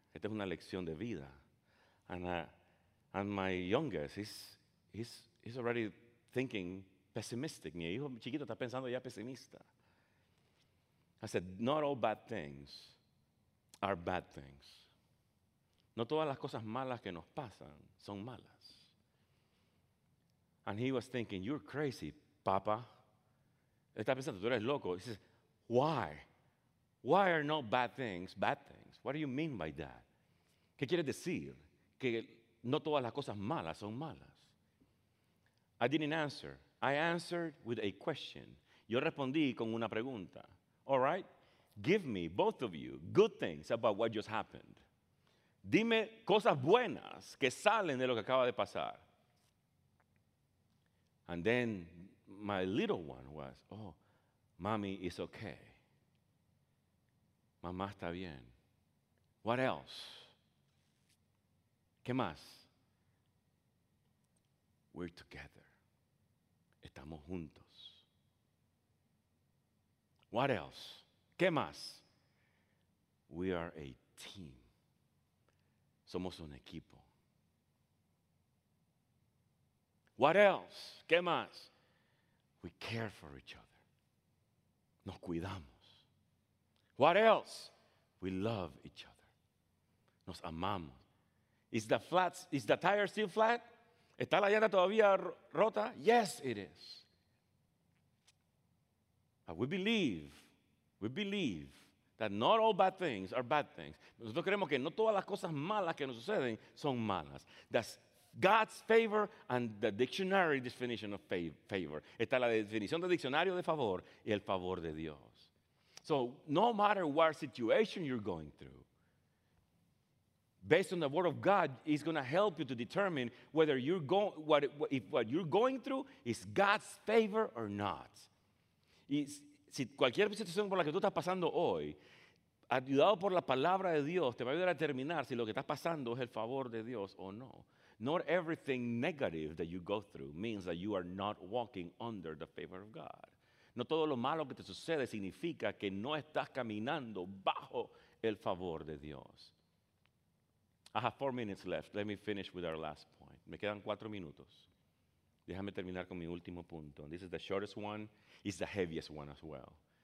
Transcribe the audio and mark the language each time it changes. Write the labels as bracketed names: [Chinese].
[Spanish] Esta es una lección de vida. [English] And my youngest, he's already thinking pessimistic. [Spanish] Mi hijo chiquito está pensando ya pesimista. [English] I said, not all bad things are bad things. [Spanish] No todas las cosas malas que nos pasan son malas. [English] And he was thinking, you're crazy, papa. [Spanish] Está pensando, tú eres loco. [English] He says, why? Why are not bad things bad things? What do you mean by that? [Spanish] ¿Qué quieres decir? Que no todas las cosas malas son malas. [English] I didn't answer. I answered with a question. [Spanish] Yo respondí con una pregunta. [English] All right, give me, both of you, good things about what just happened. [Spanish] Dime cosas buenas que salen de lo que acaba de pasar. [English] And then my little one was, oh, mommy is okay. [Spanish] Mamá está bien. [English] What else? [Spanish] ¿Qué más? [English] We're together. [Spanish] Estamos juntos. [English] What else? [Spanish] ¿Qué más? [English] We are a team. [Spanish] Somos un equipo. [English] What else? [Spanish] ¿Qué más? [English] We care for each other. [Spanish] Nos cuidamos. [English] What else? We love each other. [Spanish] Nos amamos. [English] Is the tire still flat? [Spanish] ¿Está la llanta todavía rota? [English] Yes, it is. But we believe that not all bad things are bad things. [Spanish] Nosotros creemos que no todas las cosas malas que nos suceden son malas. [English] That's God's favor and the dictionary definition of favor. [Spanish] Está la definición del diccionario de favor y el favor de Dios. [English] So no matter what situation you're going through, based on the word of God, it's going to help you to determine whether what you're going through is God's favor or not. [Spanish] Si cualquier situación por la que tú estás pasando hoy, ayudado por la palabra de Dios, te va a ayudar a determinar si lo que estás pasando es el favor de Dios o no. [English] Not everything negative that you go through means that you are not walking under the favor of God. [Spanish] No todo lo malo que te sucede significa que no estás caminando bajo el favor de Dios. [English] I have 4 minutes left. Let me finish with our last point. [Spanish] Me quedan 4 minutos. Déjame terminar con mi último punto. [English] And this is the shortest one. It's the heaviest one as well.